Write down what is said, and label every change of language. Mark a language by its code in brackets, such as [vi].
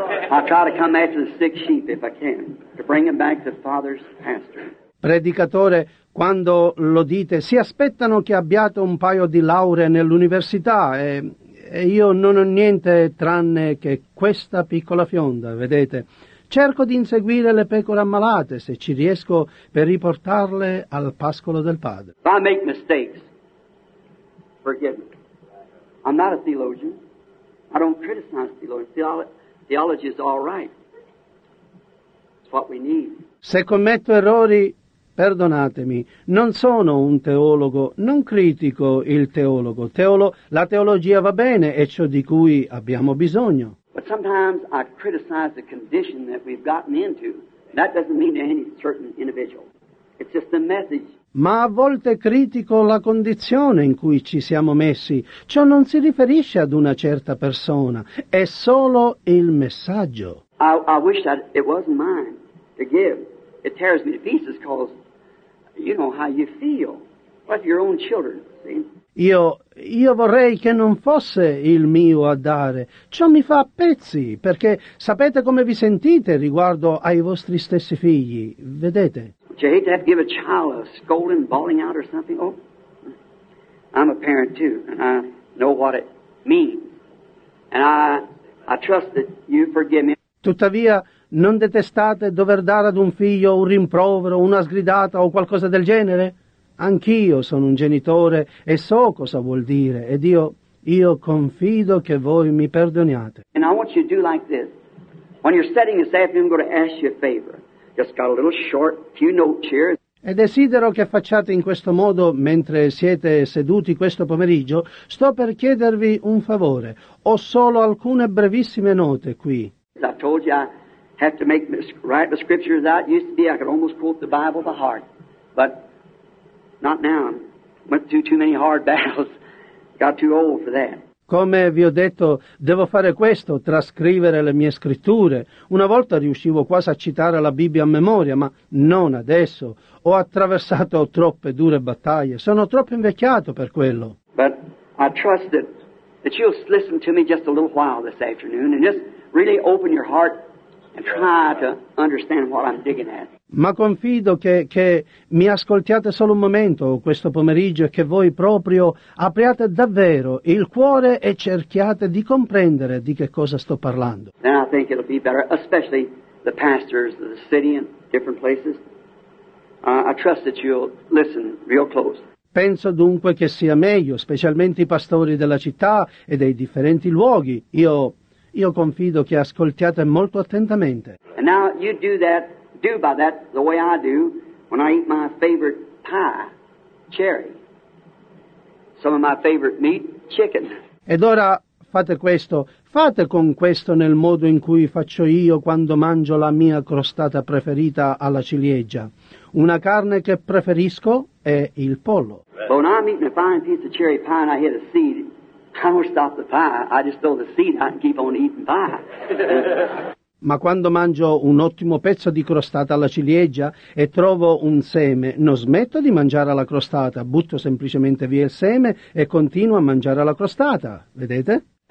[en] I'll try to come after the sick sheep if I can, to bring them back to the father's pasture. [it] Predicatore, quando lo dite, si aspettano che abbiate un paio di lauree nell'università, e io non ho niente tranne che questa piccola fionda, vedete. Cerco di inseguire le pecore ammalate, se ci riesco, per riportarle al pascolo del Padre. [en] If I make mistakes, forgive me. I'm not a theologian. I don't criticize theologians. Theology is all right. It's what we need. [it] Se commetto errori, perdonatemi, non sono un teologo, non critico il teologo. La teologia va bene, è ciò di cui abbiamo bisogno. [en] But sometimes I criticize the condition that we've gotten into. That doesn't mean to any certain individual. It's just a message. [it] Ma a volte critico la condizione in cui ci siamo messi. Ciò non si riferisce ad una certa persona, è solo il messaggio. [en] I wish that it wasn't mine to give. It tears me to pieces because you know how you feel. Like your own children, see? [it] Io vorrei che non fosse il mio a dare. Ciò mi fa a pezzi, perché sapete come vi sentite riguardo ai vostri stessi figli, vedete? [en] Do you hate to have to give a child a scolding, bawling out or something? Oh, I'm a parent too, and I know what it means. And I trust that you forgive me. [it] Tuttavia, non detestate dover dare ad un figlio un rimprovero, una sgridata o qualcosa del genere? Anch'io sono un genitore e so cosa vuol dire, ed io confido che voi mi perdoniate. [en] And I want you to do like this. When you're studying this afternoon, I'm going to ask you a favor. Just got a little short few notes here. [it] E desidero che facciate in questo modo mentre siete seduti questo pomeriggio. Sto per chiedervi un favore. Ho solo alcune brevissime note qui. [en] I told you I have to write the scriptures out. Used to be I could almost quote the Bible by heart, but not now. Went through too many hard battles. Got too old for that. [it] Come vi ho detto, devo fare questo, trascrivere le mie scritture. Una volta riuscivo quasi a citare la Bibbia a memoria, ma non adesso. Ho attraversato troppe dure battaglie. Sono troppo invecchiato per quello. [en] But I trust that you'll listen to me just a little while this afternoon and just really open your heart and try to understand what I'm digging at. [it] Ma confido che mi ascoltiate solo un momento questo pomeriggio e che voi proprio apriate davvero il cuore e cerchiate di comprendere di che cosa sto parlando. [en] Then I think it'll be better, especially the pastors of the city and different places. I trust that you'll listen real close. [it] Penso dunque che sia meglio, specialmente i pastori della città e dei differenti luoghi. Io confido che ascoltiate molto attentamente. [en] And now you do that do by that the way I do when I eat my favorite pie, cherry. Some of my favorite meat, chicken. [it] Ed ora fate questo. Fate con questo nel modo in cui faccio io quando mangio la mia crostata preferita alla ciliegia. Una carne che preferisco è il pollo. [en] But when I'm eating a fine piece of cherry pie and I hit a seed, I don't stop the pie. I just throw the seed out and keep on eating pie. [it] Ma quando mangio un ottimo pezzo di crostata alla ciliegia e trovo un seme, non smetto di mangiare la crostata, butto semplicemente via il seme e continuo a mangiare la crostata, vedete?